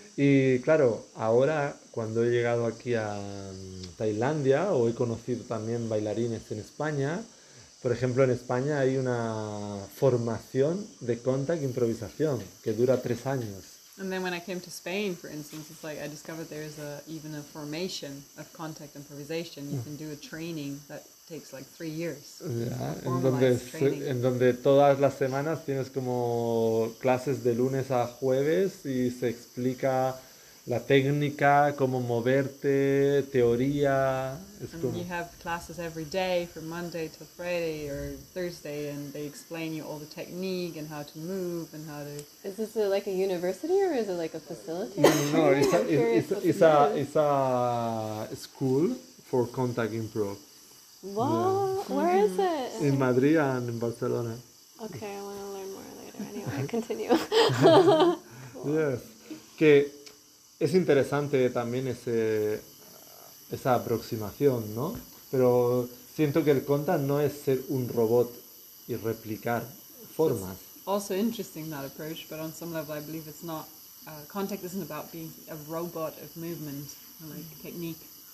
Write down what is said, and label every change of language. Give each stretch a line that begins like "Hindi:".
Spanish: Y claro, ahora cuando he llegado aquí a Tailandia, o he conocido también bailarines en España, por ejemplo, en España hay una formación de contact improvisación que dura 3 años.
English: And then when I came to Spain, for instance, it's like I discovered there is even a formation of contact improvisation. You can do a training that takes like 3 years.
Spanish: Yeah, en donde todas las semanas tienes como clases de lunes a jueves y se explica la técnica, cómo moverte, teoría. Es and como...
English: you have classes every day from Monday to Friday or Thursday, and they explain you all the technique and how to move and how to... Is this a, like a university or is it like a facility? No, it's a school for contact improv. What? Yeah. Where is it? In Madrid and in Barcelona. Okay, I want to learn more later. Anyway, continue. Cool. Yes. Que...
Spanish: Es interesante también esa aproximación, ¿no? Pero siento que el contact no es ser un robot y replicar formas.
English: It's also interesting that approach, but on some level I believe it's not contact isn't about being a robot of movement, like technique.